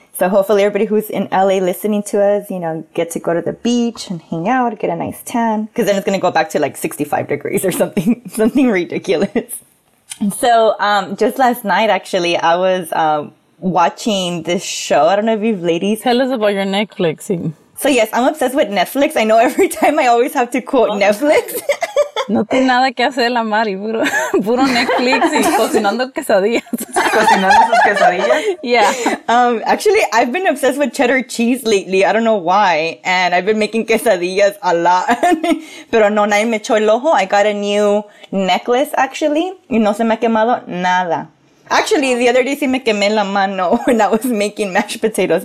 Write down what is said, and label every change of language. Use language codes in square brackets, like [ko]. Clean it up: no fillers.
[en] So hopefully everybody who's in LA listening to us, you know, get to go to the beach and hang out, get a nice tan, because then it's going to go back to like 65 degrees or something ridiculous. So just last night, actually, I was watching this show. I don't know if you've ladies. Tell us about your Netflixing. So yes, I'm obsessed with Netflix. I know every time I always have to quote Netflix. [es] No tiene nada que hacer la Mari, puro Netflix y cocinando quesadillas. ¿Cocinando sus quesadillas? [en] Yeah. Actually, I've been obsessed with cheddar cheese lately. I don't know why. And I've been making quesadillas a lot. [es] Pero no, nadie me echó el ojo. [en] I got a new necklace, actually. [es] Y no se me ha quemado nada. [en] Actually, the other day, [es] sí me quemé la mano [en] when I was making mashed potatoes.